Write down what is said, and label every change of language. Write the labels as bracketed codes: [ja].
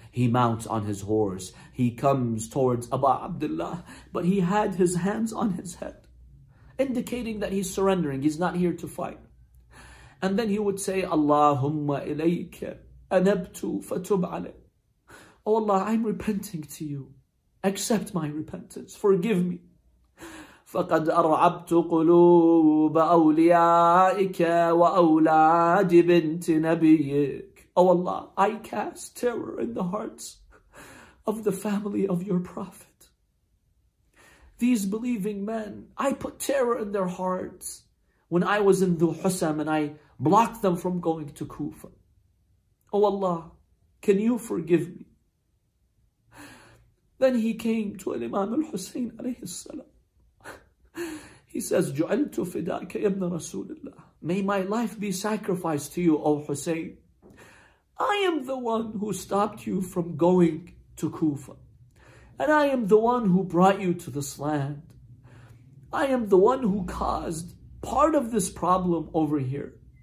[en] He mounts on his horse. He comes towards Abu Abdullah, but he had his hands on his head, indicating that he's surrendering. He's not here to fight. And then he would say, [ar] Allahumma ilayka anabtu fatub alayk. [en] Oh Allah, I'm repenting to you. Accept my repentance. Forgive me. [ar] فقد أرعبت قلوب أوليائك وأولاد بنت نبيك. [en] Oh Allah, I cast terror in the hearts of the family of your prophet. These believing men, I put terror in their hearts when I was in Dhul Husam and I blocked them from going to Kufa. Oh Allah, can you forgive me? Then he came to Imam al-Husayn alayhi salam. He says, [ar] جُعَلْتُ فِدَاكَ يَبْنَ رَسُولِ اللَّهِ. [en] May my life be sacrificed to you, O Hussein. I am the one who stopped you from going to Kufa. And I am the one who brought you to this land. I am the one who caused part of this problem over here.